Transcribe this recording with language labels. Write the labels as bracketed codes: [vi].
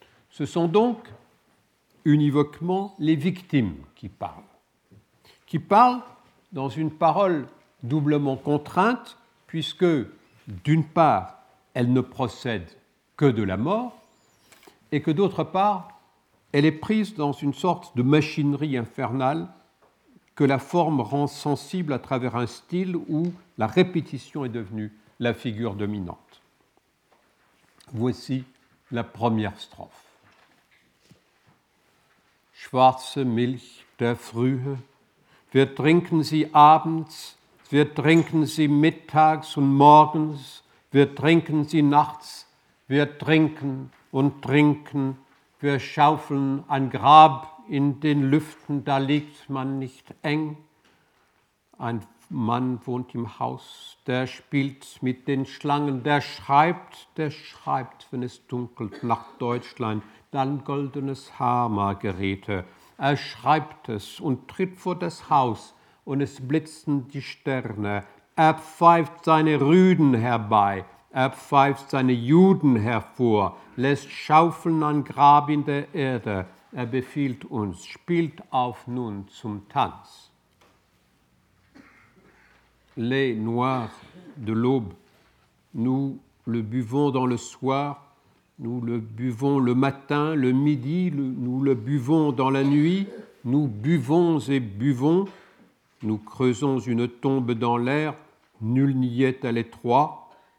[fr] Ce sont donc univoquement les victimes qui parlent dans une parole doublement contrainte, puisque d'une part, elle ne procède que de la mort, et que d'autre part, elle est prise dans une sorte de machinerie infernale que la forme rend sensible à travers un style où la répétition est devenue la figure dominante. Voici la première strophe. [de] Schwarze Milch der Frühe, wir trinken sie abends, wir trinken sie mittags und morgens, wir trinken sie nachts, wir trinken und trinken, wir schaufeln ein Grab in den Lüften, da liegt man nicht eng. Ein Mann wohnt im Haus, der spielt mit den Schlangen, der schreibt, wenn es dunkelt, nach Deutschland, dann goldenes Haar, Margarete. Er schreibt es und tritt vor das Haus und es blitzen die Sterne. Er pfeift seine Rüden herbei, er pfeift seine Juden hervor, lässt schaufeln ein Grab in der Erde. Er befiehlt uns, spielt auf nun zum Tanz. [fr] Lait noir de l'aube, nous le buvons dans le soir, nous le buvons le matin, le midi, nous le buvons dans la nuit, nous buvons et buvons, nous creusons une tombe dans l'air, nul n'y est à l'étroit.